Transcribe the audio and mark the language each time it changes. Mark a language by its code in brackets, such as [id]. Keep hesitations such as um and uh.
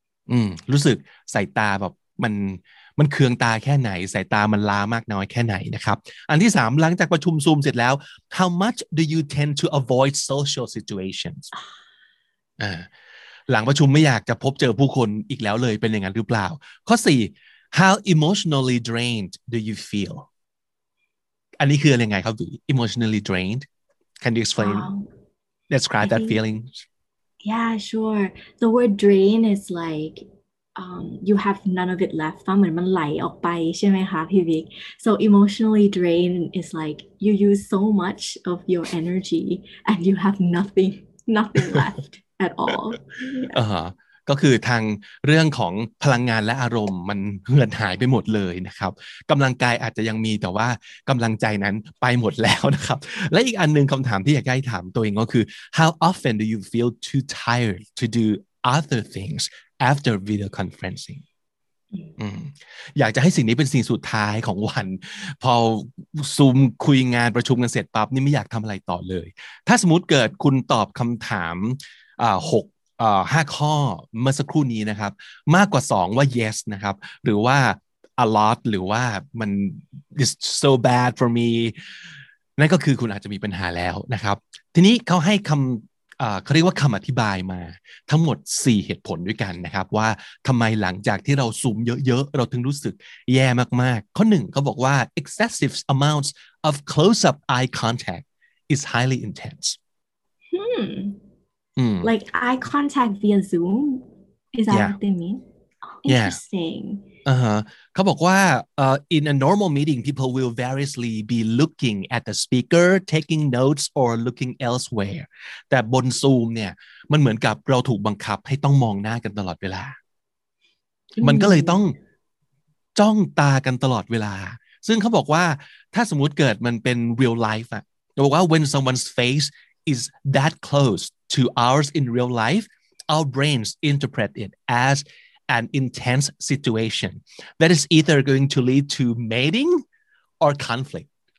[th] อืม รู้สึกสายตาแบบมันมันเคืองตาแค่ไหนสายตามันลามากน้อยแค่ไหนนะครับ อันที่สามหลังจากประชุมซูมเสร็จแล้ว [en] how much do you tend to avoid social situations [th] หลังประชุมไม่อยากจะพบเจอผู้คนอีกแล้วเลยเป็นอย่างนั้นหรือเปล่าข้อสี่ [en] how emotionally drained do you feel [th] อันนี้คืออะไรไงครับ [en] emotionally drained can you explain um, describe that feeling yeah sure the word drain is like um, you have none of it left [th] ตอนเหมือนมันไหลออกไปใช่ไหมคะพี่วิก [en] so emotionally drained is like you use so much of your energy and you have nothing nothing left at all yeah. uh-huh. [th] ก็คือทางเรื่องของพลังงานและอารมณ์มันเหือนหายไปหมดเลยนะครับกําลังกายอาจจะยังมีแต่ว่ากําลังใจนั้นไปหมดแล้วนะครับ และอีกอันนึงคําถามที่อยากให้ถามตัวเองก็คือ [en] how often do you feel too tired to do other things after video conferencing [th] อยากจะให้สิ่งนี้เป็นสิ่งสุดท้ายของวัน พอซูมคุยงานประชุมกันเสร็จปั๊บนี่ไม่อยากทำอะไรต่อเลย ถ้าสมมติเกิดคุณตอบคำถามหกห้าข้อเมื่อสักครู่นี้นะครับ มากกว่าสองว่า yes นะครับหรือว่า a lot หรือว่ามัน [en] is so bad for me [th] นั่นก็คือคุณอาจจะมีปัญหาแล้วนะครับ ทีนี้เขาให้คำเขาเรียกว่าคําอธิบายมา ทั้งหมด4เหตุผลด้วยกันนะครับว่าทําไมหลังจากที่เราซูมเยอะๆเราถึงรู้สึกแย่มากๆ ข้อ1นึ่งเขาบอกว่า [en] excessive amounts of close-up eye contact is highly intense hmm. like eye contact via zoom is that yeah. what they mean oh, interesting yeah. [th] u h h เขาบอกว่า uh, [en] in a normal meeting people will variously be looking at the speaker taking notes or looking elsewhere [th] แต่บนซูมเนี่ยมันเหมือนกับเราถูกบังคับให้ต้องมองหน้ากันตลอดเวลา มันก็เลยต้องจ้องตากันตลอดเวลา ซึ่งเขาบอกว่าถ้าสมมุติเกิดมันเป็น real life อะเขาบอกว่า [en] when someone's face is that close to ours in real life our brains interpret it as an intense situation that is either going to lead to mating or conflict